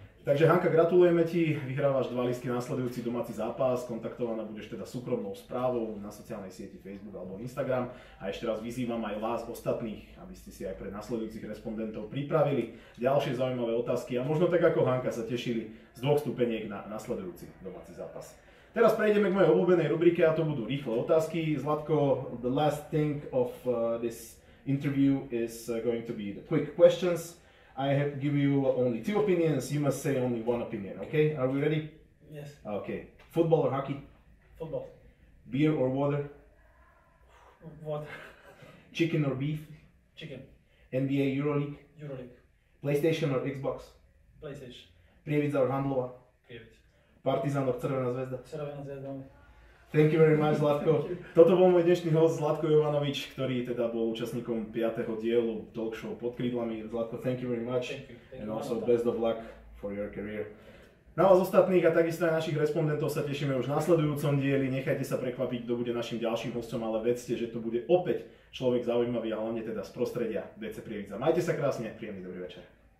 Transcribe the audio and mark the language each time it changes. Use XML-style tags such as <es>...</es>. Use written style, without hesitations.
<sk>Takže Hanka, gratulujeme ti, vyhrávaš dva lístky nasledujúci domáci zápas, kontaktovaná budeš teda súkromnou správou na sociálnej sieti Facebook alebo Instagram a ešte raz vyzývam aj vás ostatných, aby ste si aj pre nasledujúcich respondentov pripravili ďalšie zaujímavé otázky a možno tak ako Hanka sa tešili z dvoch stupeniek na nasledujúci domáci zápas. Teraz prejdeme k mojej obľúbenej rubrike a to budú rýchle otázky.</sk> <en>Zlatko, the last thing of this interview is going to be the quick questions. I have give you only two opinions, you must say only one opinion, okay? Are we ready? Yes. Okay. Football or hockey? Football. Beer or water? Water. Chicken or beef? Chicken. NBA EuroLeague? EuroLeague. PlayStation or Xbox? PlayStation. Prievidza or Handlova? Prievidza. Partizan or Crvena zvezda? Crvena zvezda. Thank you very much, Zlatko.</en> <sk>Toto bol môj dnešný host Zlatko Jovanovič, ktorý teda bol účastníkom 5. dielu Talkshow Pod krídlami. Zlatko,</sk> <en>thank you very much. Thank you. And also best of luck for your career.</en> <sk>Na vás ostatných a takisto aj našich respondentov sa tešíme už v nasledujúcom dieli. Nechajte sa prekvapiť, kto bude našim ďalším hostom, ale vedzte, že to bude opäť človek zaujímavý a hlavne teda z prostredia DC Prievidza. Majte sa krásne, príjemný dobrý večer.</sk>